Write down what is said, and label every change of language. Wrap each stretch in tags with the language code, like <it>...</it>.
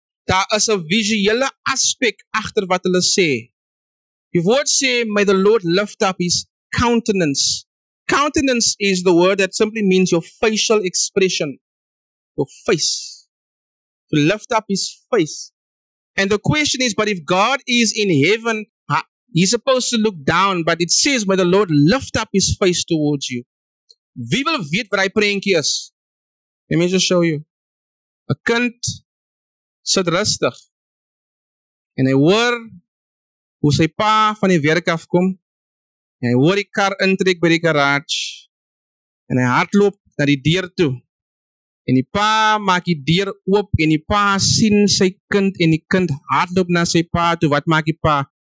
<af>Daar is 'n visuele aspek achter wat hulle sê. Die woord sê,</af> <en>may the Lord lift up his countenance. Countenance is the word that simply means your facial expression, your face, to lift up his face. And the question is, but if God is in heaven, he's supposed to look down, but it says, may the Lord lift up his face towards you.</en> <af>Wie wil weet wat hy prentjie is?</af> <en>Let me just show you.</en> <af>A kind sit rustig, en hy hoor hoe sy pa van die werk afkom, en hy hoor die kar intrek by die garage, en hy hardloop na die deur toe, en die pa maak die deur oop, en die pa sien sy kind, en die kind hardloop na sy pa toe, wat maak die pa?</af>